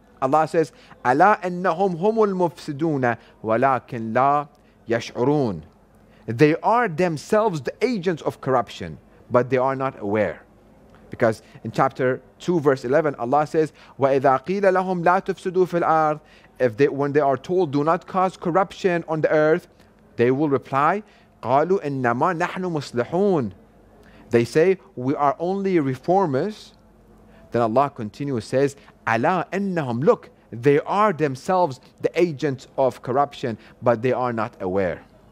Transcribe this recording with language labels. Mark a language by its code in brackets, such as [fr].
[en] Allah says, [ar] أَلَا أَنَّهُمْ هُمُ الْمُفْسِدُونَ وَلَكِنْ لَا يَشْعُرُونَ. [en] They are themselves the agents of corruption, but they are not aware. Because in chapter 2, verse 11, Allah says, [ar] وَإِذَا قِيلَ لَهُمْ لَا تُفْسِدُوا فِي الْأَرْضِ. [en] If they, when they are told, do not cause corruption on the earth, they will reply, [ar] قَالُوا إِنَّمَا نَحْنُ مُصْلِحُونَ. [en] They say, we are only reformers. Then Allah continues, says, [ar] أَلَا إِنَّهُمْ. [en] Look, they are themselves the agents of corruption, but they are not aware.